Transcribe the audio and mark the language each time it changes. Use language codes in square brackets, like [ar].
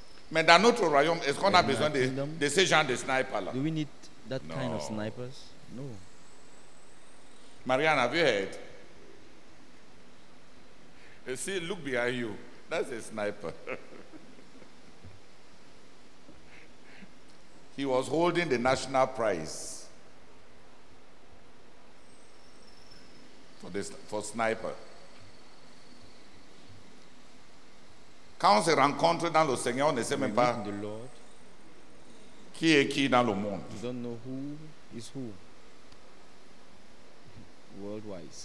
[fr] Mais dans notre royaume, est-ce qu'on a besoin de ces gens de sniper là? [en] Do we need that no. kind of snipers? No. Marianne, have you heard? See, look behind you. That's a sniper. He was holding the national prize for sniper. [fr] Quand on se rencontre dans le Seigneur, on ne sait même pas qui est qui dans le monde. [en] You don't know who is who. Worldwide.